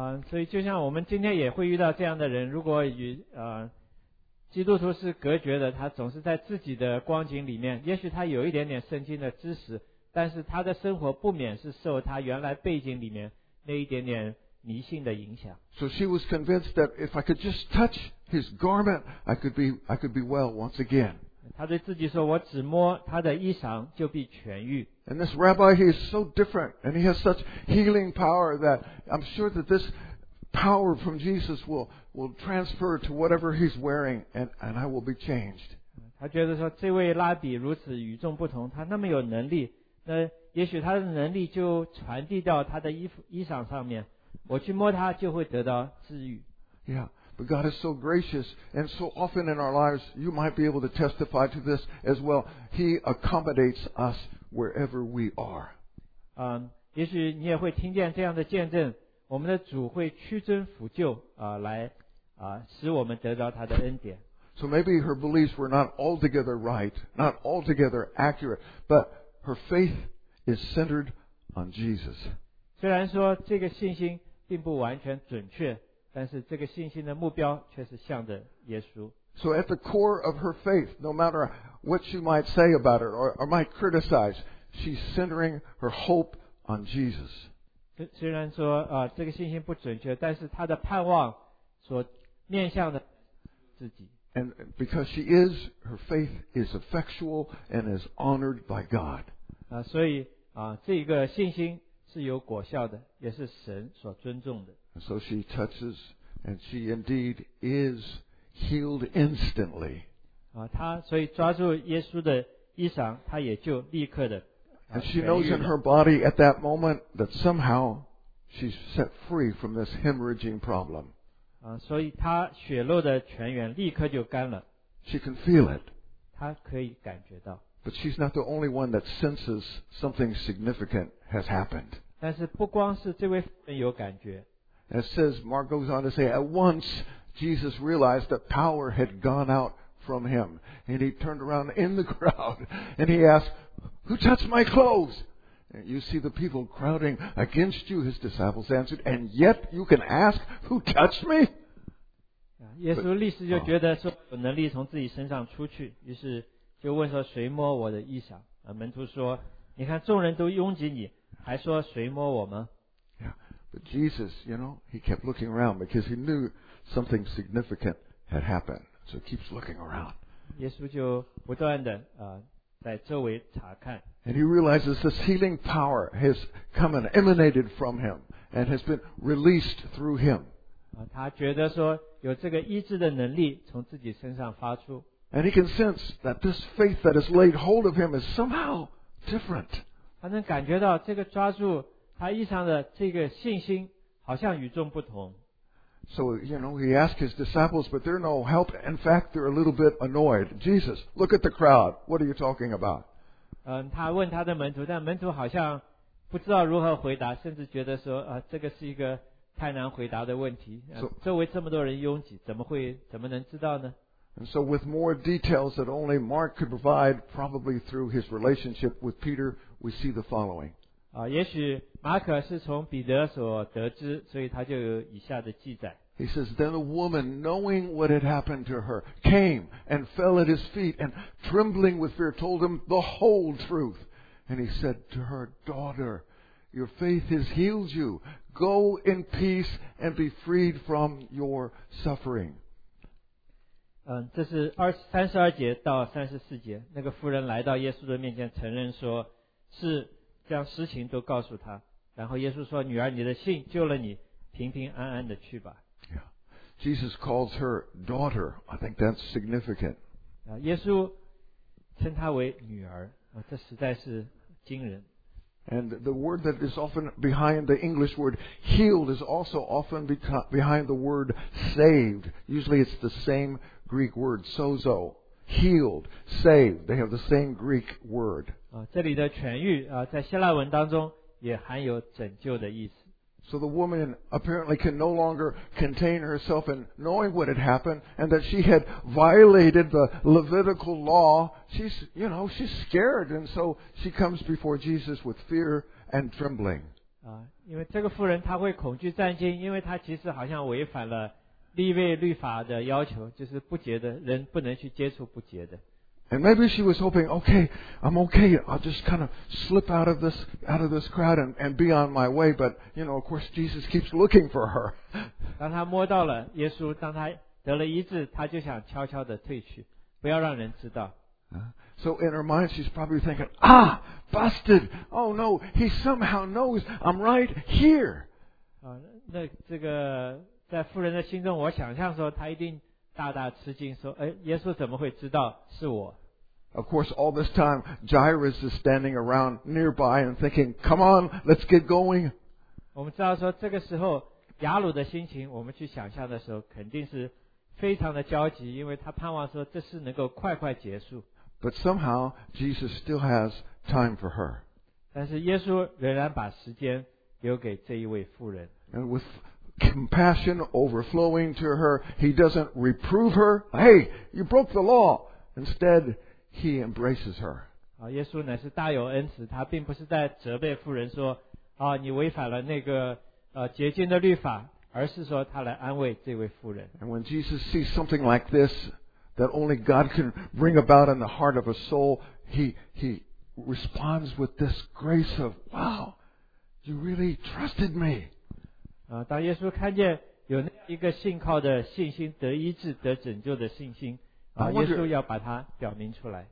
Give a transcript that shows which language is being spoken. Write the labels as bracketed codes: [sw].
[zh] 所以就像我们今天也会遇到这样的人，如果与基督徒是隔绝的，他总是在自己的光景里面，也许他有一点点圣经的知识，但是他的生活不免是受他原来背景里面那一点点迷信的影响。 [en] So she was convinced that if I could just touch his garment, I could be well once again. [zh] 她对自己说，我只摸他的衣裳就必痊愈。 [en] And this rabbi, he is so different, and he has such healing power that I'm sure that this power from Jesus will transfer to whatever he's wearing, and I will be changed. [zh] 她觉得说，这位拉比如此与众不同，他那么有能力，那也许他的能力就传递到他的衣裳上面。我去摸他就会得到治愈。 [en] Yeah, but God is so gracious, and so often in our lives, you might be able to testify to this as well. He accommodates us wherever we are. [zh] 也许你也会听见这样的见证，我们的主会屈尊俯就来使我们得到他的恩典。 [en] So maybe her beliefs were not altogether right, not altogether accurate, but her faith is centered on Jesus. [zh] 虽然说这个信心并不完全准确，但是这个信心的目标却是向着耶稣。 [en] So at the core of her faith, no matter what she might say about it or might criticize, she's centering her hope on Jesus. [zh] 虽然说这个信心不准确，但是她的盼望所面向的自己。 [en] And because she is, her faith is effectual and is honored by God. [zh] 所以这个信心是有果效的，也是神所尊重的。 [en] So she touches, and she indeed is healed instantly. [zh] 她所以抓住耶稣的衣裳，她也就立刻的。 [en] And she knows in her body at that moment that somehow she's set free from this hemorrhaging problem. [zh] 所以她血漏的泉源立刻就干了。 [en] She can feel it. [zh] 她可以感觉到。 [en] But she's not the only one that senses something significant has happened. [zh] 但是不光是这位妇人有感觉。 [en] It says, Mark goes on to say, at once Jesus realized that power had gone out from him. And he turned around in the crowd and he asked, Who touched my clothes? And you see the people crowding against you, his disciples answered, and yet you can ask, Who touched me? [zh] 耶稣立时就觉得说有能力从自己身上出去，于是就问说谁摸我的衣裳？门徒说，你看众人都拥挤你，还说谁摸我吗？ [en] Yeah, but Jesus, you know, he kept looking around because he knew something significant had happened. So he keeps looking around. [zh] 耶稣就不断的在周围查看。 [en] And he realizes this healing power has come and emanated from him and has been released through him. [zh] 他觉得说有这个医治的能力从自己身上发出。 [en] And he can sense that this faith that has laid hold of him is somehow different. [zh] 他能感觉到这个抓住他衣裳的这个信心好像与众不同。 [en] So, you know, he asked his disciples, but they're no help. In fact, they're a little bit annoyed. Jesus, look at the crowd. What are you talking about? [zh] 他问他的门徒，但门徒好像不知道如何回答，甚至觉得说，这个是一个太难回答的问题。周围这么多人拥挤，怎么能知道呢？ [en] And so with more details that only Mark could provide, probably through his relationship with Peter, we see the following. [zh] 也许马可是从彼得所得知，所以他就有以下的记载。 [en] He says, Then a woman, knowing what had happened to her, came and fell at his feet, and trembling with fear, told him the whole truth. And he said to her, Daughter, your faith has healed you. Go in peace and be freed from your suffering. [zh] 这是32节到34节，那个妇人来到耶稣的面前，承认说是将实情都告诉他，然后耶稣说，女儿，你的信救了你，平平安安的去吧。 [en] Jesus calls her daughter. I think that's significant. [zh] 耶稣称她为女儿，这实在是惊人。 [en] And the word that is often behind the English word healed is also often behind the word saved. Usually it's the same Greek word, sozo. Healed, saved. They have the same Greek word. [zh] 这里的痊愈在希腊文当中也含有拯救的意思。 [en] So the woman apparently can no longer contain herself in knowing what had happened and that she had violated the Levitical law. She's, you know, she's scared and so she comes before Jesus with fear and trembling. [zh] 因为这个妇人她会恐惧战惊，因为她其实好像违反了立位律法的要求，就是不洁的人不能去接触不洁的。 [en] And maybe she was hoping, okay, I'm okay, I'll just kind of slip out of this crowd and be on my way, but, you know, of course, Jesus keeps looking for her. [zh] 当他摸到了耶稣，当他得了医治，他就想悄悄地退去，不要让人知道。 [en] So in her mind, she's probably thinking, ah, busted, oh no, he somehow knows I'm right here. [zh] 那这个在妇人的心中，我想象说他一定大大吃惊说，耶稣怎么会知道是我？ [en] Of course, all this time, Jairus is standing around nearby and thinking, come on, let's get going. [zh] 我们知道说这个时候雅鲁的心情，我们去想象的时候肯定是非常的焦急，因为他盼望说这事能够快快结束。 [en] But somehow, Jesus still has time for her. [zh] 但是耶稣仍然把时间留给这一位妇人。 [en] And withcompassion overflowing to her. He doesn't reprove her. Hey, you broke the law. Instead, he embraces her. [zh] 耶稣乃是大有恩慈，他并不是在责备妇人说，你违反了那个洁净的律法，而是说他来安慰这位妇人。 [en] And when Jesus sees something like this, that only God can bring about in the heart of a soul, he responds with this grace of, wow, you really trusted me. [zh] 当耶稣看见有那一个信靠的信心得医治得拯救的信心啊，耶稣要把它表明出来。